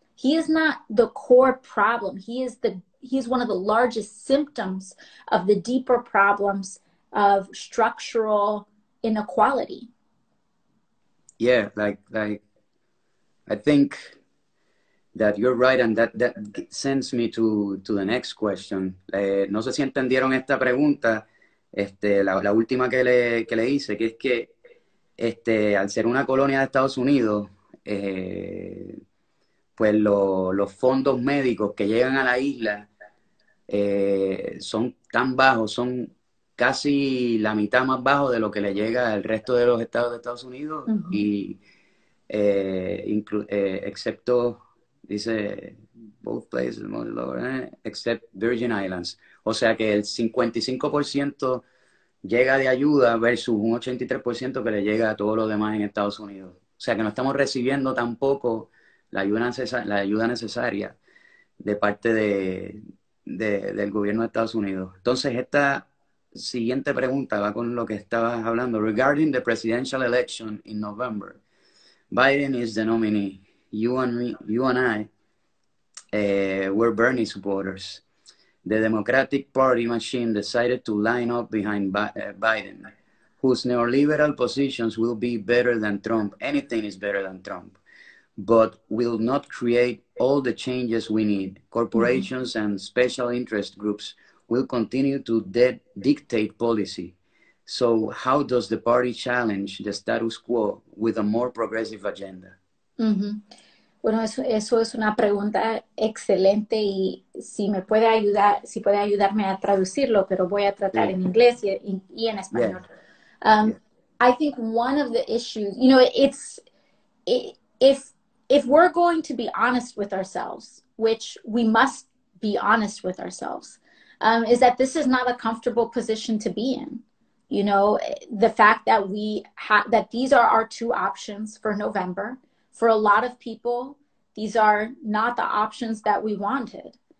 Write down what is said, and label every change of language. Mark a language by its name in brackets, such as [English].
[English] He is not the core problem. He is one of the largest symptoms of the deeper problems of structural inequality. Yeah, like I think that you're right, and that sends me to the next question. [Spanish] No sé si entendieron esta pregunta, la última que le hice, que es que al ser una colonia de Estados Unidos, pues los fondos médicos que llegan a la isla son tan bajos, son casi la mitad más bajo de lo que le llega al resto de los estados de Estados Unidos, uh-huh. Y excepto, dice, [English] both places, except Virgin Islands. [Spanish] O sea que el 55% llega de ayuda versus un 83% que le llega a todos los demás en Estados Unidos. O sea que no estamos recibiendo tampoco la ayuda necesaria de parte del gobierno de Estados Unidos. Entonces, esta siguiente pregunta va con lo que estabas hablando. [English] Regarding the presidential election in November, Biden is the nominee. You and I were Bernie supporters. The Democratic Party machine decided to line up behind Biden, whose neoliberal positions will be better than Trump. Anything is better than Trump. But will not create all the changes we need. Corporations, mm-hmm. and special interest groups will continue to dictate policy. So how does the party challenge the status quo with a more progressive agenda? Mm-hmm. [Spanish] Bueno, eso es una pregunta excelente, y si me puede ayudar, si puede ayudarme a traducirlo, pero voy a tratar en inglés y en español. [English] Yeah. I think one of the issues, you know, if we're going to be honest with ourselves, which we must be honest with ourselves, is that this is not a comfortable position to be in. You know, the fact that we that these are our two options for November, for a lot of people, these are not the options that we wanted.